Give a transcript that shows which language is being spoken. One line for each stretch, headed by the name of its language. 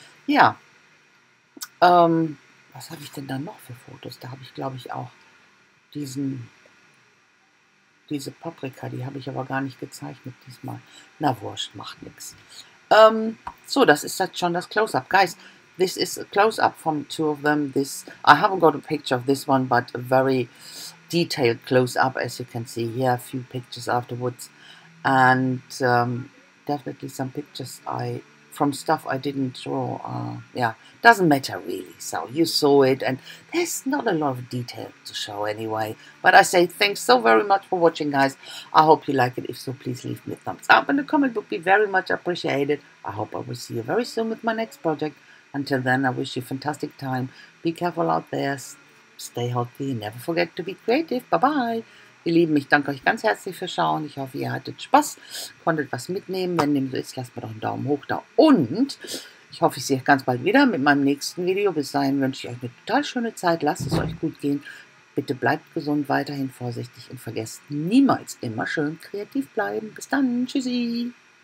German: Ja, was habe ich denn dann noch für Fotos? Da habe ich, glaube ich, auch diese Paprika, die habe ich aber gar nicht gezeichnet diesmal. Na wurscht, macht nichts. So, das ist jetzt schon das Close-up.
English: Guys, this is a Close-up from two of them. I haven't got a picture of this one, but a very detailed Close-up, as you can see here, a few pictures afterwards. And definitely some pictures from stuff I didn't draw. Doesn't matter really. So you saw it, and there's not a lot of detail to show anyway. But I say thanks so very much for watching, guys. I hope you like it. If so, please leave me a thumbs up and a comment would be very much appreciated. I hope I will see you very soon with my next project. Until then, I wish you a fantastic time. Be careful out there. Stay healthy. Never forget to be creative. Bye-bye.
German: Ihr Lieben, ich danke euch ganz herzlich fürs Schauen. Ich hoffe, ihr hattet Spaß, konntet was mitnehmen. Wenn dem so ist, lasst mir doch einen Daumen hoch da. Und ich hoffe, ich sehe euch ganz bald wieder mit meinem nächsten Video. Bis dahin wünsche ich euch eine total schöne Zeit. Lasst es euch gut gehen. Bitte bleibt gesund, weiterhin vorsichtig, und vergesst niemals, immer schön kreativ bleiben. Bis dann. Tschüssi.